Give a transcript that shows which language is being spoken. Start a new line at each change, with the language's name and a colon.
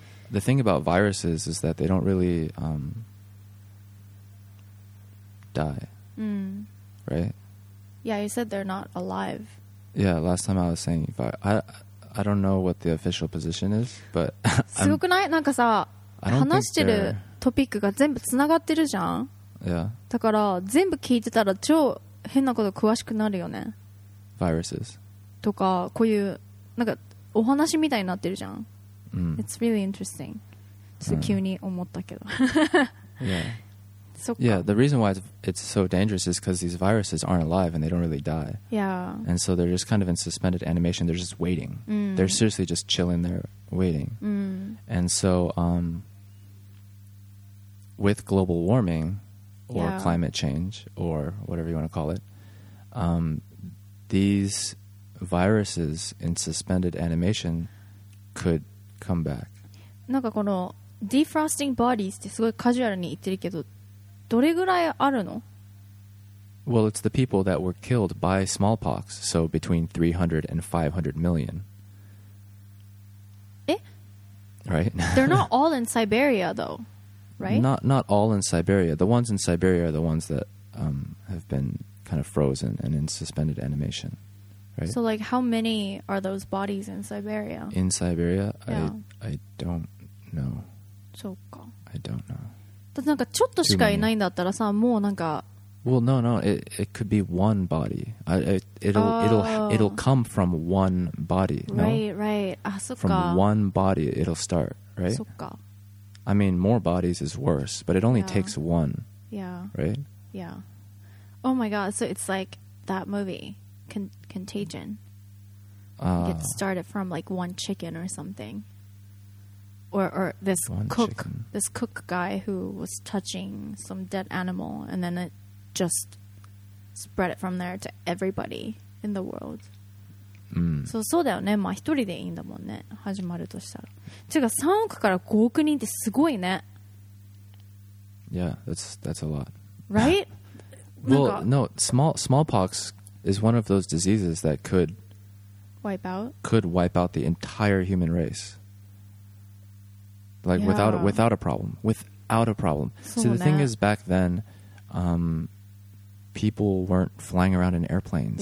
English: The thing about viruses is that they don't really, die. Right? Yeah, you said they're not alive. Yeah, last time I was saying, but I don't know what the official position is, but
Japanese: すごくない？なんかさ、話してるトピックが全部つながってるじゃん。
English: Yeah.
Japanese: だから全部聞いてたら超変なこと詳しくなるよね。
English: Viruses.
Japanese: とかこういうなんかお話みたいになってるじゃん。 Mm.
English: It's really interesting.
Japanese: ちょっと急に思ったけど。
English: Yeah. Yeah, the reason why it's so dangerous is because these viruses aren't alive and they don't really die. Yeah. And so they're just kind of in suspended animation. They're just waiting. Mm. They're seriously just chilling there, waiting. Mm. And so with global warming or yeah. climate change or whatever you want to call it, these viruses in suspended animation could come back.
Japanese: なんかこの
English: defrosting bodies
Japanese: ってすごいカジュアルに言ってるけど、どれぐらいあるの？
English: Well, it's the people that were killed by smallpox, so between 300 and 500 million.
Japanese: え？
English: Right? They're not all in Siberia, though, right? Not all in Siberia. The ones in Siberia are the ones that have been kind of frozen and in suspended animation, right? So, like, how many are those bodies in Siberia? In Siberia? Yeah. I don't know.
Japanese: そうか。
English: I don't know.
Japanese: だってなんかちょっとしかいないんだったらさ、もうなんか
English: Well, no, it could be one body. It'll come from one body. Right, no? Right.
Japanese: あ、そっか。
English: From one body, it'll start, right?
Japanese: そっか。
English: I mean, more bodies is worse, but it only yeah. takes one. Yeah. Right? Yeah. Oh my god, so it's like that movie, Contagion. It started from like one chicken or something. Or this one cook, chicken. This cook guy who was touching some dead animal, and then it just spread it from there to everybody in the world.
Japanese: So, そうだよね。まあ一人でいいんだもんね。始まるとしたら。てか3億から5億人ってすごいね。
English: Yeah, that's a lot. Right? Well, no. Smallpox is one of those diseases that could wipe out the entire human race. Like, yeah. without a problem. So the thing is, back then, people weren't flying around in airplanes